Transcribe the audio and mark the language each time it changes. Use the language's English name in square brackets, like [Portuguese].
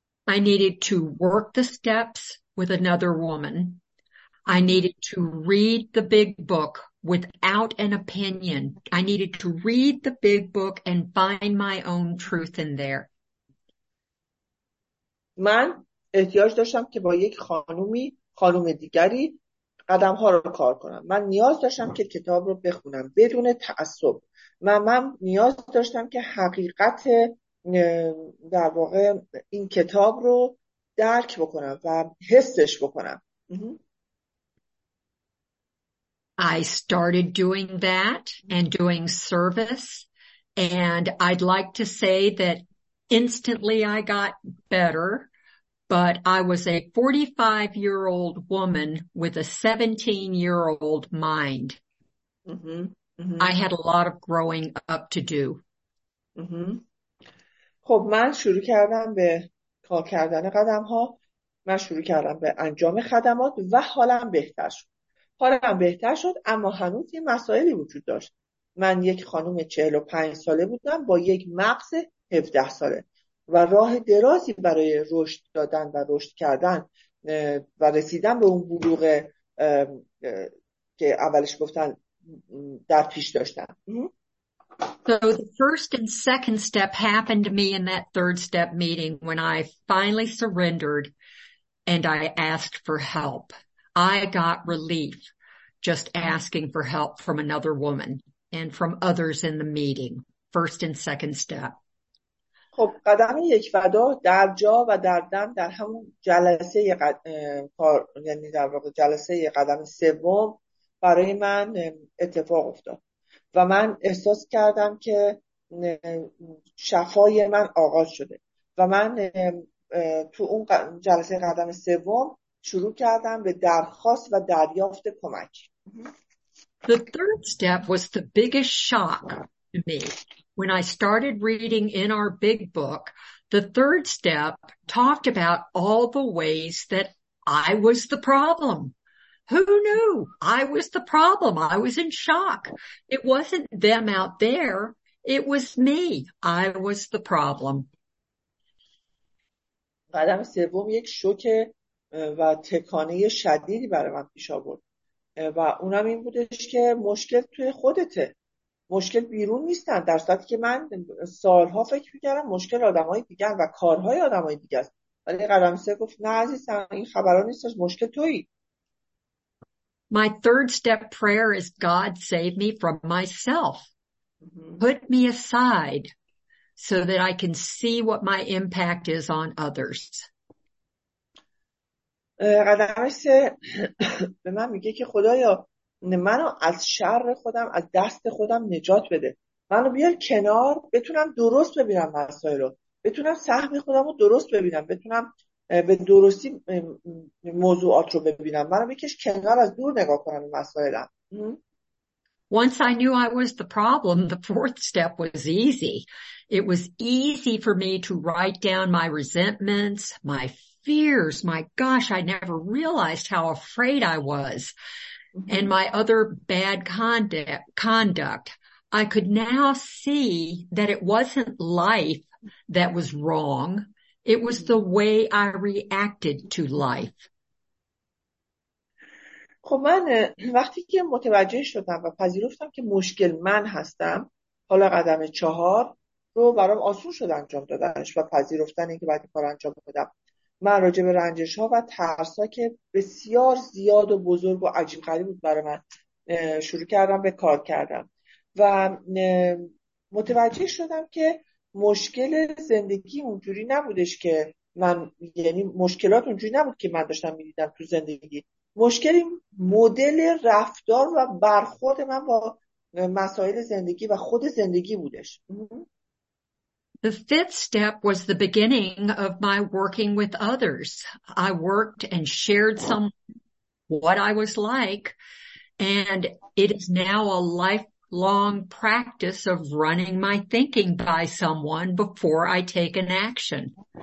[English] I needed to work the steps with another woman. I needed to read the big book without an opinion. I needed to read the big book and find my own truth in there. [Persian] من احتیاج داشتم که با یک خانوم دیگری قدم ها رو کار کنم. من نیاز داشتم که کتاب رو بخونم بدون تعصب. من نیاز داشتم که حقیقت در واقع این کتاب رو درک بکنم و حسش بکنم. [English] I started doing that and doing service, and I'd like to say that Instantly, I got better, but I was a 45-year-old woman with a 17-year-old mind. I had a lot of growing up to do. [Persian] خب من شروع کردم به کار کردن قدم ها. من شروع کردم به انجام خدمات و حالم بهتر شد. حالم بهتر شد اما هنوز یه مسائلی وجود داشت. من یک خانم 45 ساله بودم با یک مغز 17 ساله و راه درازی برای رشد دادن و رشد کردن و رسیدن به اون بلوغ که اولش گفتن در پیش داشتم. [English] So the first and second step happened to me in that third step meeting when I finally surrendered and I asked for help. I got relief just asking for help from another woman and from others in the meeting, first and second step. [Persian] خب قدم یک و دو در جا و در دم در همون جلسه یعنی در واقع جلسه قدم سوم برای من اتفاق افتاد. و من احساس کردم که شفای من آغاز شده و من تو اون جلسه قدم سوم شروع کردم به درخواست و دریافت کمک. [English] The third step was the biggest shock to me. When I started reading in our big book, the third step talked about all the ways that I was the problem. Who knew? I was the problem. I was in shock. It wasn't them out there. It was me. I was the problem. [Persian] قدم سوم یک شوک و تکانه شدیدی برای من پیش آورد و اونم این بودش که مشکل توی خودته. مشکل بیرون نیستن، در صورتی که من سالها فکر می‌کردم مشکل آدم‌های دیگر و کارهای آدم‌های دیگر است. ولی قدم سوم گفت نه عزیزم، این خبرها نیستش، مشکل تویی. [English] My third step prayer is God save me from myself. Put me aside so that I can see what my impact is on others. [Persian] قدمش به من میگه که خدایا منو از شر خودم، از دست خودم نجات بده. منو بیار کنار، بتونم درست ببینم مسائل رو، بتونم سهم خودم رو درست ببینم، بتونم به درستی موضوعات رو ببینم. منو بکش کنار، از دور نگاه کنم مسائلم. [English] Once I knew I was the problem, the fourth step was easy. It was easy for me to write down my resentments, my fears. My gosh, I never realized how afraid I was. And my other bad conduct. I could now see that it wasn't life that was wrong. It was the way I reacted to life. [Persian] خب من وقتی که متوجه شدم و پذیرفتم که مشکل من هستم، حالا قدم چهار رو برام آسون شد انجام دادنش و پذیرفتن اینکه بعد کار انجام بدم. من راجع به رنجش ها و ترس ها که بسیار زیاد و بزرگ و عجیب غریب بود برای من شروع کردم به کار کردم و متوجه شدم که مشکل زندگی اونجوری نبودش که من، یعنی مشکلات اونجوری نبود که من داشتم میدیدم تو زندگی. مشکل مدل رفتار و برخورد من با مسائل زندگی و خود زندگی بودش. [English] The fifth step was the beginning of my working with others. I worked and shared some what I was like, and it is now a lifelong practice of running my thinking by someone before I take an action.